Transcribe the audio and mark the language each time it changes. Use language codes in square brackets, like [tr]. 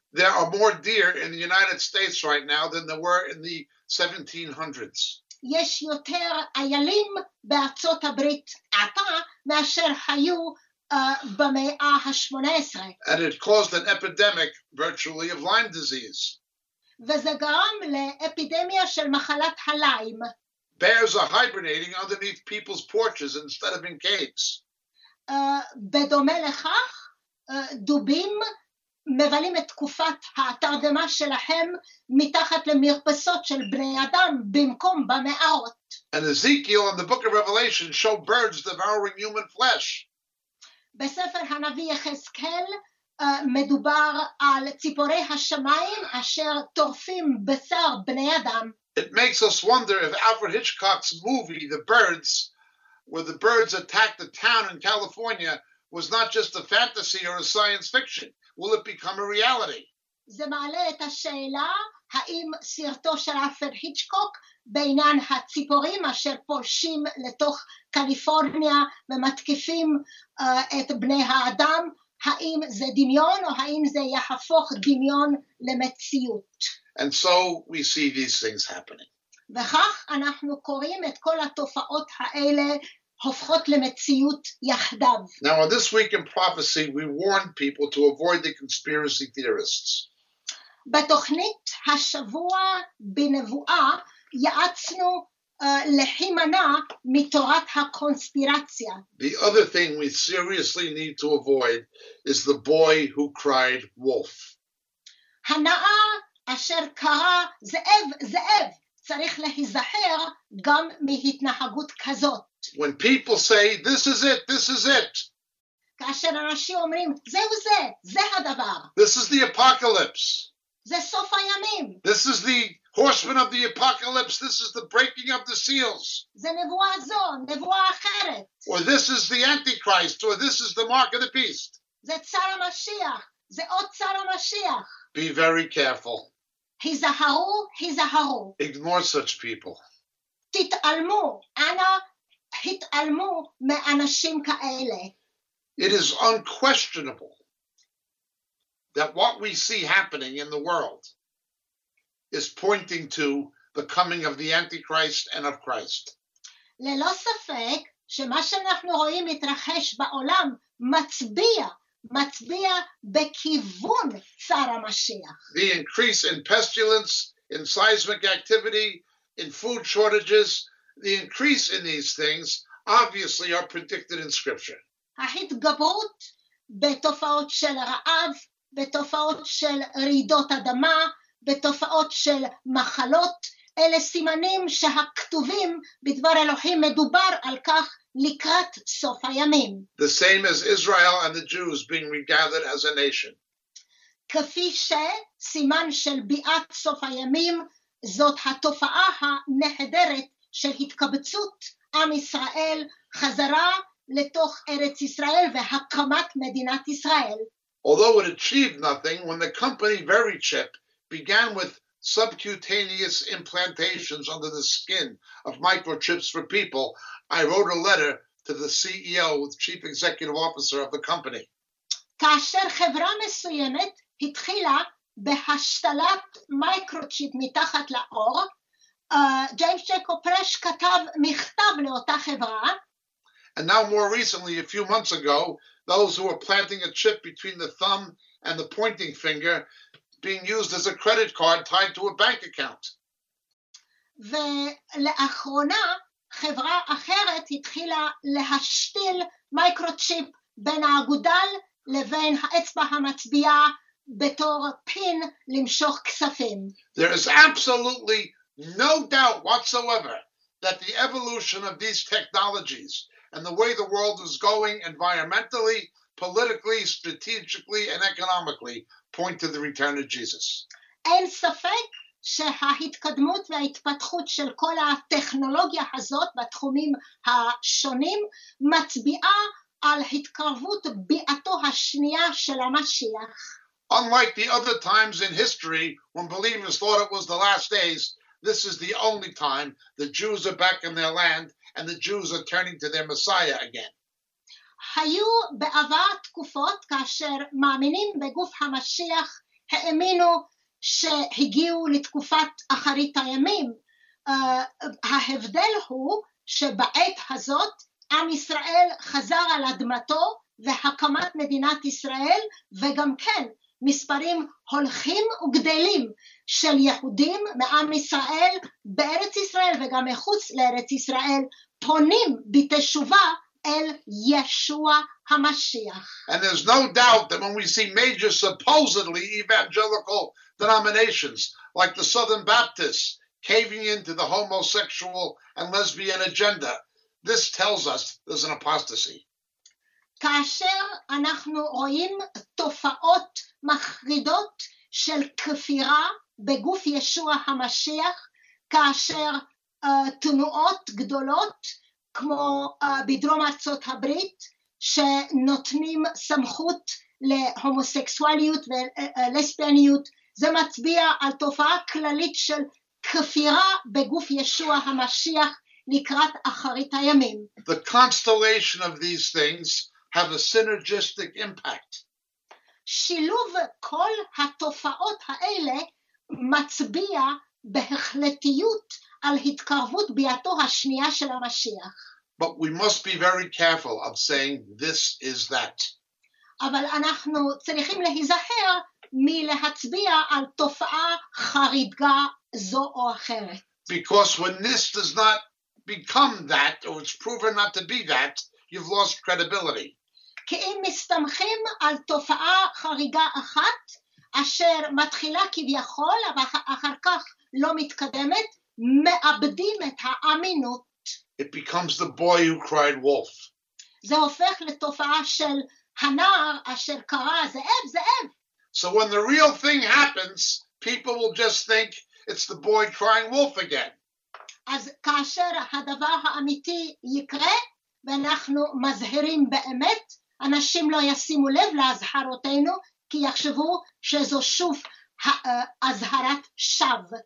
[en] There are more deer in the United States right now than there were in the 1700s. [he] יש יותר איילים בארצות הברית עתה מאשר היו במאה ה-18. [en] And it caused an epidemic virtually of Lyme disease. [he] וזה גרם לאפידמיה של מחלת הליים. [en] Bears are hibernating underneath people's porches instead of in caves. [he] בדומה לכך, דובים מבלים את תקופת התרדמה שלהם מתחת למרפסות של בני אדם במקום במערות. [en] And Ezekiel in the book of Revelation show birds devouring human flesh. [he] בספר הנביא יחזקאל מדובר על ציפורי השמיים אשר טורפים בשר בני אדם. [en] It makes us wonder if Alfred Hitchcock's movie The Birds, where the birds attack the town in California, was not just a fantasy or a science fiction. Will it become a reality? [he] זה מעלה את השאלה, האם סרטו של אלפרד היצ'קוק בעניין הציפורים אשר פולשים לתוך קליפורניה ומתקיפים את בני האדם, האם זה דמיון או האם זה יהפוך דמיון למציאות? [en] And so we see these things happening. [he] וכך אנחנו קוראים את כל התופעות האלה הופכות למציאות יחדיו. [en] Now on this week in prophecy we warn people to avoid the conspiracy theorists. [he] בתוכנית השבוע בנבואה יעצנו להימנע מתורת הקונספירציה. [en] The other thing we seriously need to avoid is the boy who cried wolf. [he] הנער אשר קרא זאב, זאב, צריך להיזהר גם מהתנהגות כזאת. [en] When people say, this is it, this is it. [he] כאשר אנשים אומרים, זהו זה, זה הדבר. [en] This is the apocalypse. [he] זה סוף הימים. [en] This is the horseman of the apocalypse. This is the breaking of the seals. [he] זה נבואה זו, נבואה אחרת. [en] Or this is the antichrist, or this is the mark of the beast. [he] זה צר המשיח, זה עוד צר המשיח. [en] Be very careful. [he] היזהרו, היזהרו. [en] Ignore such people. [he] תתעלמו, אנא התעלמו מאנשים כאלה. [en] It is unquestionable that what we see happening in the world is pointing to the coming of the Antichrist and of Christ. [he] ללא ספק שמה שאנחנו רואים מתרחש בעולם מצביע, מצביע בכיוון צר המשיח. [en] The increase in pestilence, in seismic activity, in food shortages, the increase in these things obviously are predicted in Scripture. [he] ההתגברות בתופעות של רעב, בתופעות של רעידות אדמה, בתופעות של מחלות, אלה סימנים שהכתובים בדבר אלוהים מדובר על כך לקראת סוף הימים. [en] The same as Israel and the Jews being regathered as a nation. [he] כפי שסימן של ביאת סוף הימים, זאת התופעה הנהדרת של התקבצות עם ישראל חזרה לתוך ארץ ישראל והקמת מדינת ישראל. [en] Although it achieved nothing when the company Verichip began with subcutaneous implantations under the skin of microchips for people, I wrote a letter to the CEO, the chief executive officer of the company. [he] כאשר חברה מסוימת התחילה בהשתלת מייקרוצ'יפ מתחת לאור, ג'יימס ג'קוב פרש כתב מכתב לאותה חברה. [en] And now more recently, a few months ago, those who were planting a chip between the thumb and the pointing finger being used as a credit card tied to a bank account. [he] ולאחרונה, חברה אחרת התחילה להשתיל מייקרוצ'יפ בין האגודל לבין האצבע המצביעה בתור פין למשוך כספים. [en] There is absolutely no doubt whatsoever that the evolution of these technologies and the way the world is going environmentally, politically, strategically, and economically point to the return of Jesus. [he] אין ספק שההתקדמות וההתפתחות של כל הטכנולוגיה הזאת בתחומים השונים מצביעה על התקרבות ביאתו השנייה של המשיח. [en] Unlike the other times in history when believers thought it was the last days, this is the only time the Jews are back in their land and the Jews are turning to their Messiah again. [he] היו בעבר תקופות כאשר מאמינים בגוף המשיח האמינו שהגיעו לתקופת אחרית הימים. ההבדל הוא שבעת הזאת עם ישראל חזר על אדמתו והקמת מדינת ישראל וגם כן מספרים הולכים וגדלים של יהודים מעם ישראל בארץ ישראל וגם מחוץ לארץ ישראל פונים בתשובה אל ישוע המשיח. [en] And there's no doubt that when we see major supposedly evangelical denominations like the Southern Baptists caving into the homosexual and lesbian agenda, this tells us there's an apostasy. [he] כאשר אנחנו רואים תופעות מחרידות של כפירה בגוף ישוע המשיח, כאשר תנועות גדולות כמו בדרום ארצות הברית שנותנים סמכות להומוסקסואליות ולספיאניות, זה מצביע על תופעה כללית של כפירה בגוף ישוע המשיח לקראת אחרית הימים. [en] The constellation of these things have a synergistic impact. [he] שילוב כל התופעות האלה מצביע בהחלטיות על התקרבות ביאתו השנייה של המשיח. [en] But we must be very careful of saying this is that. [he] אבל אנחנו צריכים להיזהר מלהצביע על תופעה חריגה זו או אחרת. [en] Because when this does not become that, or it's proven not to be that, you've lost credibility. [he] כי אם מסתמכים על תופעה חריגה אחת, אשר מתחילה כביכול, אבל אחר כך לא מתקדמת, מאבדים את האמינות. [en] It becomes the boy who cried wolf. [he] זה הופך לתופעה של הנער אשר קרא זאב, זאב. [en] So when the real thing happens, people will just think it's the boy crying wolf again. [he] אז כאשר הדבר האמיתי יקרה, ואנחנו מזהירים באמת, אנשים לא ישימו לב להזהרותינו, כי יחשבו שזו שוב הזהרת שווא.